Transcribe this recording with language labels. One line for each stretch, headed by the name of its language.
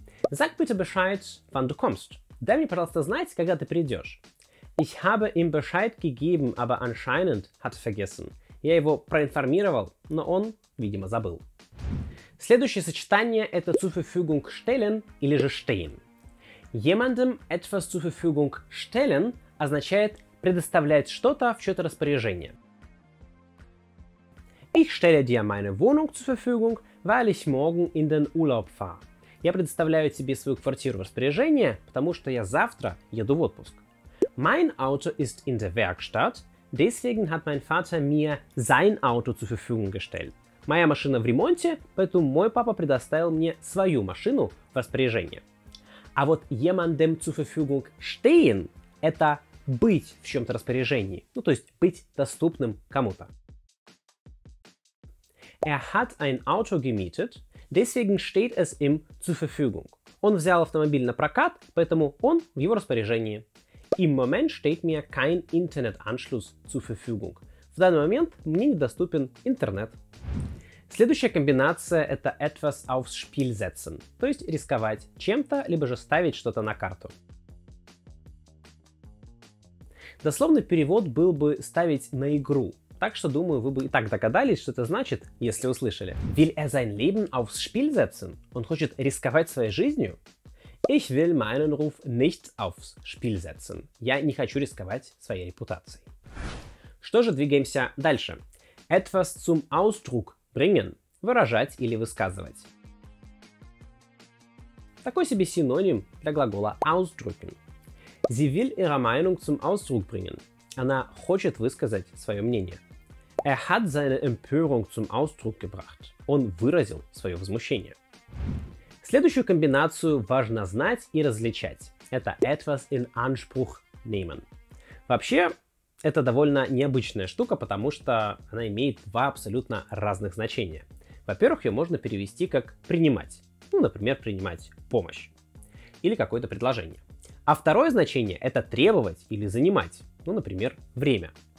German: Sag bitte Bescheid, wann du kommst.
Russian: Дай мне, пожалуйста, знать, когда ты придешь.
German: Ich habe ihm Bescheid gegeben, aber anscheinend hat vergessen.
Russian: Я его проинформировал, но он, видимо, забыл. Следующее сочетание – это
German: zur Verfügung stellen
Russian: или же stehen.
German: Jemandem etwas zur Verfügung stellen
Russian: означает предоставлять что-то в чье-то распоряжение.
German: Ich stelle dir meine Wohnung zur Verfügung, weil ich morgen in den Urlaub fahre.
Russian: Я предоставляю тебе свою квартиру в распоряжение, потому что я завтра еду в отпуск.
German: Mein Auto ist in der Werkstatt, deswegen hat mein Vater mir sein Auto zur Verfügung gestellt.
Russian: Моя машина в ремонте, поэтому мой папа предоставил мне свою машину в распоряжение. А вот
German: jemandem zur Verfügung stehen
Russian: – это быть в чем-то распоряжении, ну то есть быть доступным кому-то.
German: Er hat ein Auto gemietet, deswegen steht es ihm zur Verfügung.
Russian: Он взял автомобиль на прокат, поэтому он в его распоряжении.
German: Im Moment steht mir kein Internetanschluss zur Verfügung.
Russian: В данный момент мне недоступен интернет. Следующая комбинация – это
German: etwas aufs Spiel setzen,
Russian: то есть рисковать чем-то, либо же ставить что-то на карту. Дословный перевод был бы «ставить на игру», так что, думаю, вы бы и так догадались, что это значит, если услышали.
German: Will er sein Leben aufs Spiel setzen?
Russian: Он хочет рисковать своей жизнью?
German: Ich will meinen Ruf nicht aufs Spiel setzen.
Russian: Я не хочу рисковать своей репутацией. Что же, двигаемся дальше.
German: Etwas zum Ausdruck bringen.
Russian: Выражать или высказывать. Такой себе синоним для глагола ausdrücken.
German: Sie will ihre Meinung zum Ausdruck bringen.
Russian: Она хочет высказать свое мнение.
German: Er hat seine Empörung zum Ausdruck gebracht.
Russian: Он выразил свое возмущение. Следующую комбинацию важно знать и различать. Это
German: etwas in Anspruch nehmen.
Russian: Вообще, это довольно необычная штука, потому что она имеет два абсолютно разных значения. Во-первых, ее можно перевести как принимать. Ну, например, принимать помощь. Или какое-то предложение. А второе значение – это требовать или занимать. Ну, например, время.